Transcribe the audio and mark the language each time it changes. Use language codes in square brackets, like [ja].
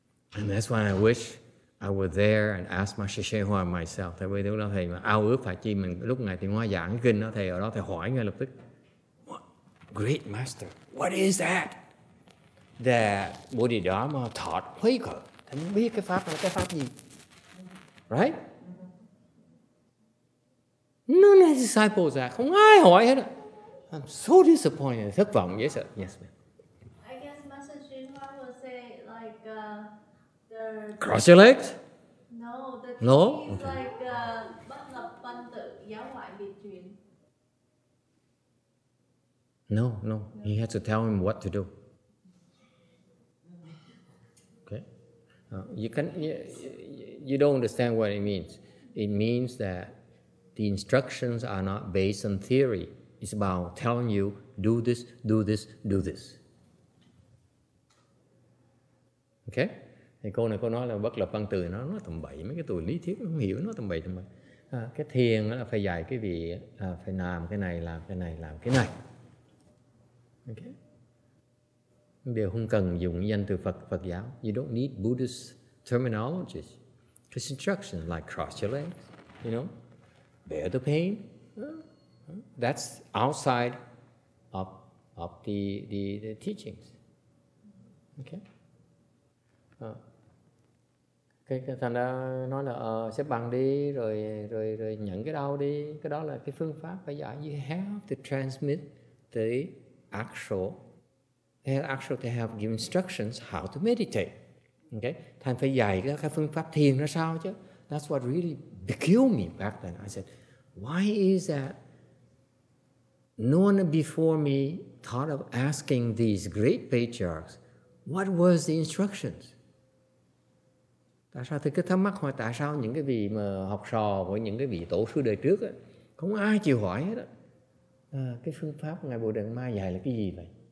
[en] And that's why I wish I were there and ask my Shishe Hoa myself. [vi] Tại vì lúc đó thầy mà ao ước phải chi mình lúc này thì ngoài giảng cái kinh đó thầy ở đó thầy hỏi ngay lập tức. [en] What? Great Master, what is that? That Bodhidharma taught Huy Cơ. [vi] Thầy muốn biết cái pháp là cái pháp gì? [en] Right? None of the disciples ask. [vi] Không ai hỏi hết. [en] I'm so disappointed. [vi] Thất vọng. [en] Yes, sir. Yes, ma'am. I guess Master Xuyên Hoa will say like the... Cross your legs? No. The no? Okay. [vi] Like bất lập phân tử giáo ngoại biệt truyền. [en] No. He has to tell him what to do. You don't understand what it means. It means that the instructions are not based on theory. It's about telling you, do this, do this, do this. Okay? [vi] Thì cô này cô nói là bất lập văn từ nó tầm bậy, mấy cái từ lý thuyết không hiểu nó tầm bậy. À, cái thiền là phải dạy cái vị à, phải làm cái này, làm cái này, làm cái này. Okay? Điều không cần dùng danh từ Phật, Phật giáo. [en] You don't need Buddhist terminologies. It's instructions like cross your legs, you know, bear the pain. That's outside of the teachings. Okay? [vi] Cái thằng đó nói là xếp bằng đi rồi nhận cái đau đi, cái đó là cái phương pháp phải giải. [en] You have to transmit the actual to have give instructions how to meditate. [vi] Okay, thành phải dạy cái phương pháp thiền ra sao chứ. [en] That's what really killed me back then. I said, why is that no one before me thought of asking these great patriarchs what was the instructions? [vi] Tại sao thì cứ thắc mắc hỏi tại sao những cái vị mà học trò của những cái vị tổ sư đời trước ấy, không ai chịu hỏi hết á. À, cái phương pháp Ngài Bồ Đề Ma dạy là cái gì vậy?